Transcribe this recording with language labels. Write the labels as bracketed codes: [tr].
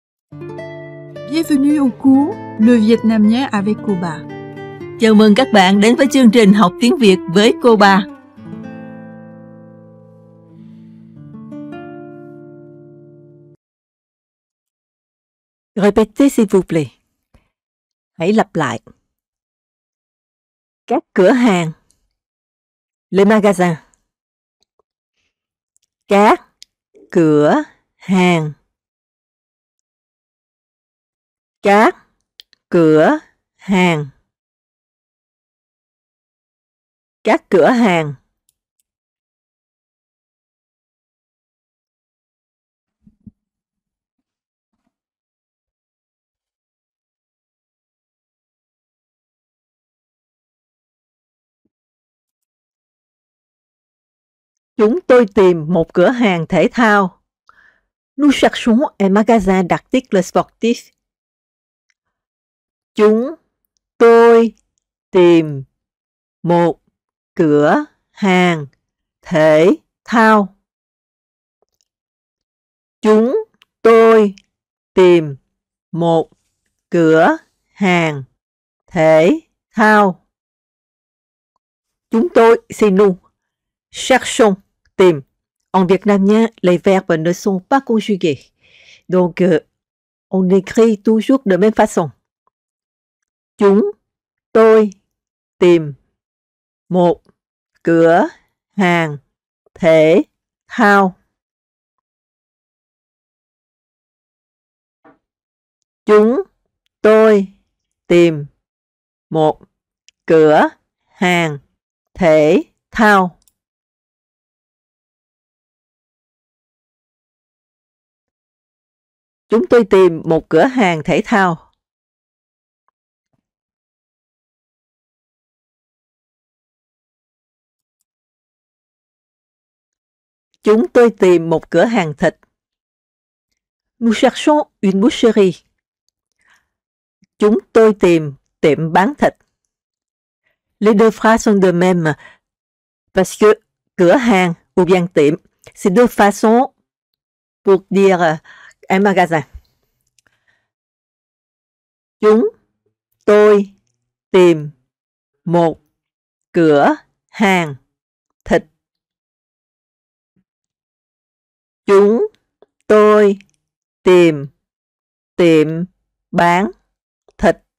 [fr] Bienvenue au cours Le Vietnamien avec cô Ba. [vi] Chào mừng các bạn đến với chương trình học tiếng Việt với cô Ba. [fr] Répétez s'il vous plaît. [vi] Hãy lặp lại. Các cửa hàng. [fr] Les magasins. [vi] Các cửa hàng. Các cửa hàng. Các cửa hàng. Chúng tôi tìm một cửa hàng thể thao. [fr] Nous cherchons un magasin d'articles sportifs. [vi] Chúng tôi tìm một cửa hàng thể thao. Chúng tôi tìm một cửa hàng thể thao. [fr] Chúng tôi, c'est nous, cherchons, tìm. En vietnamien, les verbes ne sont pas conjugués. Donc, on écrit toujours de même façon. [vi] Chúng tôi tìm một cửa hàng thể thao. Chúng tôi tìm một cửa hàng thể thao. Chúng tôi tìm một cửa hàng thể thao. Chúng tôi tìm một cửa hàng thịt. [fr] Nous cherchons une boucherie. [vi] Chúng tôi tìm tiệm bán thịt. [fr] Les deux phrases sont de même. Parce que cửa hàng ou bien tiệm, c'est deux façons pour dire un magasin. [vi] Chúng tôi tìm một cửa hàng thịt. Chúng tôi tìm tiệm bán thịt.